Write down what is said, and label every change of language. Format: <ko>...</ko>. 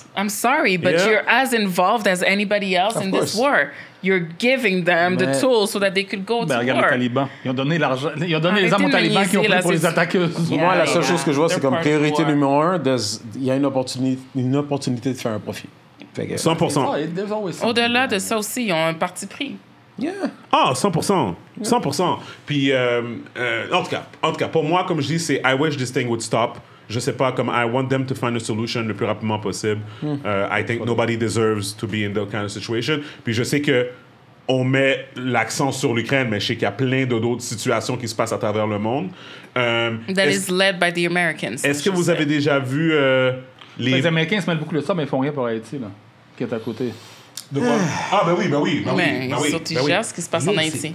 <en>I'm sorry, but you're as involved as anybody else of in course. This war. You're giving them the tools so that they could go to war.</en> <fr>Regarde les talibans. Ils ont donné, les armes aux talibans qui ont pris pour les attaquer. Moi, la seule chose que je vois, c'est comme priorité numéro un, il y a une opportunité de faire un profit. 100%. Au-delà de ça aussi, ils ont un parti pris. Ah, 100%. 100%. Puis, en tout cas, pour moi, comme je dis, c'est «</fr> <en>I wish this thing would stop ».</en> <fr>Je sais pas, comme</fr> <en>I want them to find a solution</en> <fr>le plus rapidement possible.</fr> <en>I think nobody deserves to be in that kind of situation.</en> <fr>Puis je sais que on met l'accent sur l'Ukraine, mais je sais qu'il y a plein d'autres situations qui se passent à travers le monde.</fr> <en>That is led by the Americans.</en> <fr>Est-ce que vous avez déjà vu les Américains se mettent beaucoup de ça, mais ils font rien pour Haïti là, qui est à côté. Ils gèrent ce qui se passe en Haïti.</fr>